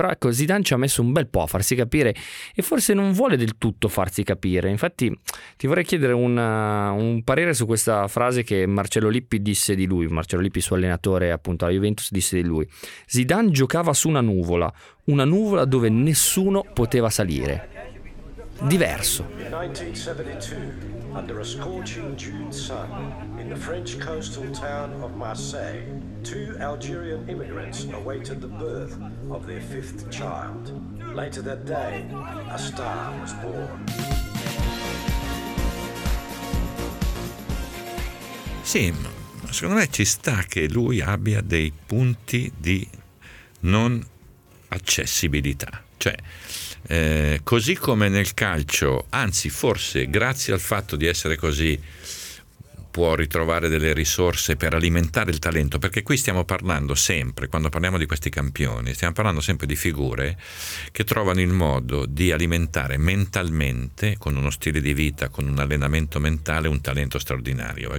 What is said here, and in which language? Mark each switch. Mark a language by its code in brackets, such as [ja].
[it] Però ecco, Zidane ci ha messo un bel po' a farsi capire, e forse non vuole del tutto farsi capire. Infatti ti vorrei chiedere un parere su questa frase che Marcello Lippi disse di lui. Marcello Lippi, suo allenatore appunto alla Juventus, disse di lui: Zidane giocava su una nuvola dove nessuno poteva salire. Diverso. [en] In 1972, under a scorching June sun, in the French coastal town of Marseille, two Algerian immigrants awaited the birth of their fifth child. Later that day, a star was born. [it] Sì, secondo me ci sta che lui abbia dei punti di non accessibilità. Cioè, così come nel calcio, anzi forse grazie al fatto di essere così può ritrovare delle risorse per alimentare il talento, perché qui stiamo parlando sempre, quando parliamo di questi campioni, stiamo parlando sempre di figure che trovano il modo di alimentare mentalmente, con uno stile di vita, con un allenamento mentale, un talento straordinario.